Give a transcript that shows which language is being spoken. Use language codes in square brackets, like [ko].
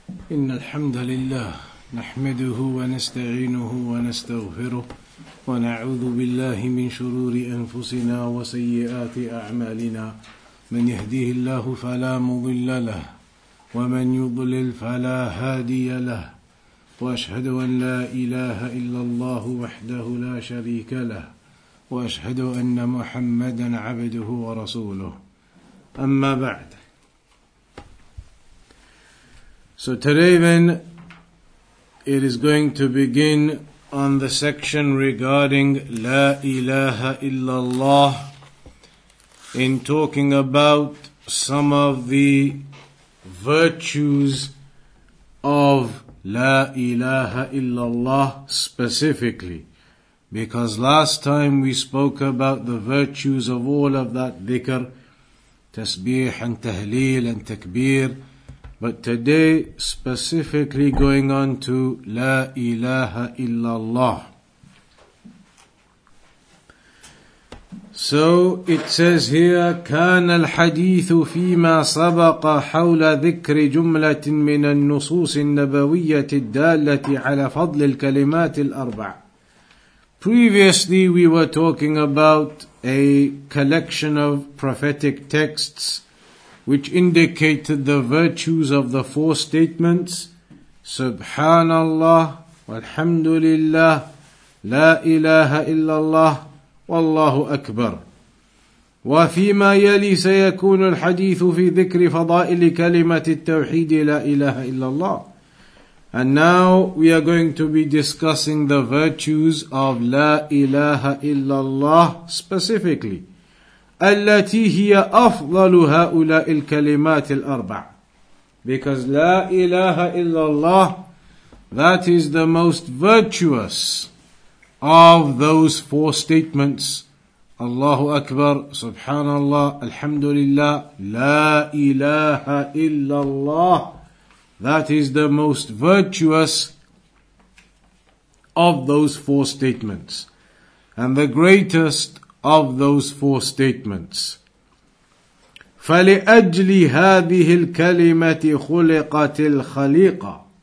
[ar] إن الحمد لله نحمده ونستعينه ونستغفره ونعوذ بالله من شرور أنفسنا وسيئات أعمالنا من يهديه الله فلا مضل له ومن يضلل فلا هادي له وأشهد أن لا إله إلا الله وحده لا شريك له وأشهد أن محمدا عبده ورسوله أما بعد. [en] So today then, it is going to begin on the section regarding La ilaha illallah, in talking about some of the virtues of La ilaha illallah specifically. Because last time we spoke about the virtues of all of that dhikr, tasbih and tahleel and takbir, but today, specifically going on to La ilaha illallah. So it says here, [ar] كان الحديث فيما سبق حول ذكر جملة من النصوص النبوية الدالة على فضل الكلمات الأربع. [en] Previously, we were talking about a collection of prophetic texts which indicated the virtues of the four statements, Subhanallah, walhamdulillah, la ilaha illallah, wallahu akbar. [ar] وَفِيمَا يَلِي سَيَكُونُ الْحَدِيثُ فِي ذِكْرِ فَضَائِلِ كَلِمَةِ التَّوْحِيدِ لَا إِلَهَ إِلَّا اللَّهِ. [en] And now we are going to be discussing the virtues of la ilaha illallah specifically. [ar] التي هي أفضل هؤلاء الكلمات الأربع. [en] Because [ar] لا إله إلا الله, [en] that is the most virtuous of those four statements. [ar] الله أكبر, سبحان الله, الحمد لله, لا إله إلا الله. [en] That is the most virtuous of those four statements. And the greatest of those four statements. [ar] فَلِأَجْلِ هَذِهِ الْكَلِمَةِ خُلِقَتِ الْخَلِيقَةِ.